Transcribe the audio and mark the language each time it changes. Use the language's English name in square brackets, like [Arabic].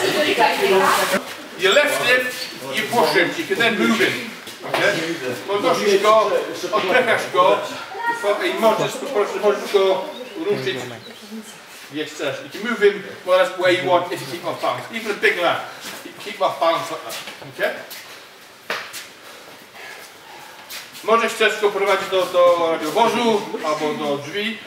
[English] You lift him, you push him, you can then move him. [Polish] Podnosisz go, odpychasz go, i możesz po prostu go ruszyć. [English] Yes, sir. You can move him well, that's where you want if you keep my balance. Even a big lad, keep my balance like that. Okay? [Polish] Możesz też go prowadzić do radiowozu albo do drzwi.